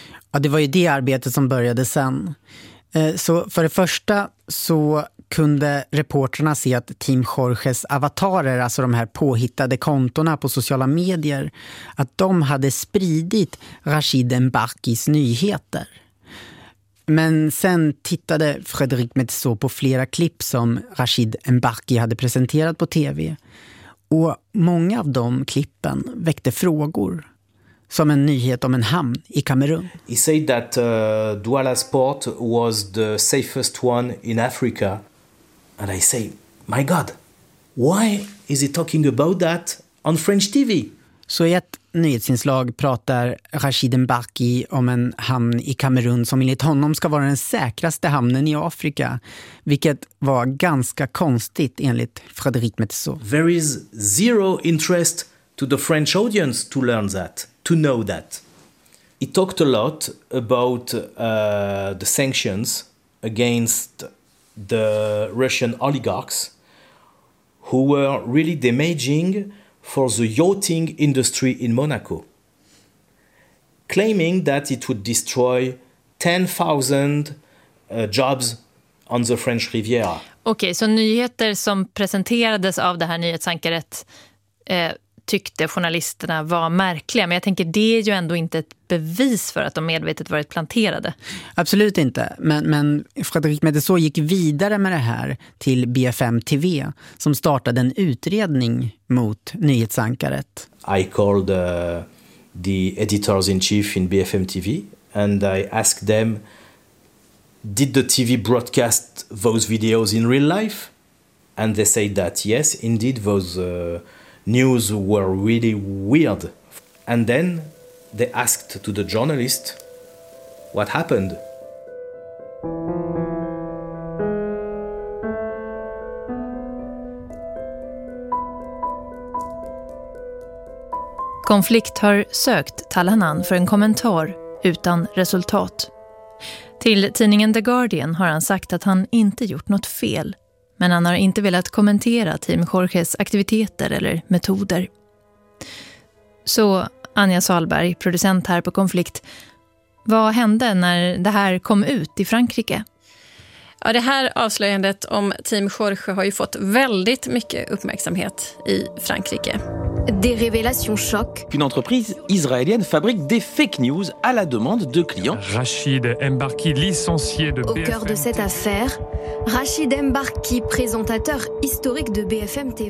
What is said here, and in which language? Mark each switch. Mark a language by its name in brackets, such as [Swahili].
[Swedish] Ja, det var ju det arbetet som började sen. Så för det första så kunde reporterna se att Team Jorges avatarer, alltså de här påhittade kontorna på sociala medier, att de hade spridit Rachid Embarkis nyheter. Men sen tittade Frédéric Metsot på flera klipp som Rachid Mbarki hade presenterat på tv. Och många av de klippen väckte frågor, som en nyhet om en hamn i Kamerun. [English] He said that Douala's port was the safest one in Africa. And I say, my God, why is he talking about that on French TV? Så i ett nyhetsinslag pratar Rachid Mbarki om en hamn i Kamerun som enligt honom ska vara den säkraste hamnen i Afrika, vilket var ganska konstigt enligt Frédéric Metsot. There is zero interest to the French audience to learn that, to know that. He talked a lot about the sanctions against the Russian oligarchs who were really damaging for the yachting industry in Monaco, claiming that it would destroy 10,000 jobs on the French Riviera. [Swedish] Okej, okay, så nyheter som presenterades av det här nyhetsankaret tyckte journalisterna var märkliga, men jag tänker det är ju ändå inte ett bevis för att de medvetet varit planterade. Absolut inte, men Frédéric Metsot gick vidare med det här till BFM TV som startade en utredning mot nyhetsankaret. I called the editors in chief in BFM TV and I asked them, did the TV broadcast those videos in real life? And they said that yes, indeed those news were really weird. And then they asked to the journalist what happened. Konflikt har sökt Talanan för en kommentar utan resultat. Till tidningen The Guardian har han sagt att han inte gjort något fel, men han har inte velat kommentera Team Jorges aktiviteter eller metoder. Så, Anja Salberg, producent här på Konflikt, vad hände när det här kom ut i Frankrike? Ja, det här avslöjandet om Team Jorge har ju fått väldigt mycket uppmärksamhet i Frankrike. [French] Des révélations choc. Une entreprise israélienne fabrique des fake news à la demande de clients. Rachid Mbarki, licencié de BFM. Au cœur de cette affaire, Rachid Mbarki, présentateur historique de BFM TV.